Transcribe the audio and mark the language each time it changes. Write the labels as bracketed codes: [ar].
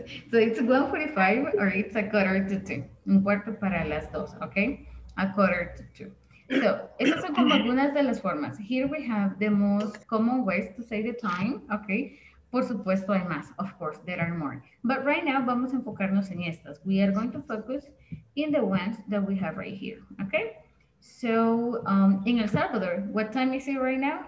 [en] So it's 1:45 or it's a quarter to two. [es] Un cuarto para las dos, okay? [en] A quarter to two. [es] So, esas son como algunas de las formas. [en] Here we have the most common ways to say the time, okay? [es] Por supuesto, hay más. [en] Of course, there are more. But right now, [es] vamos a enfocarnos en estas. [en] We are going to focus in the ones that we have right here, okay? So, in El Salvador, what time is it right now?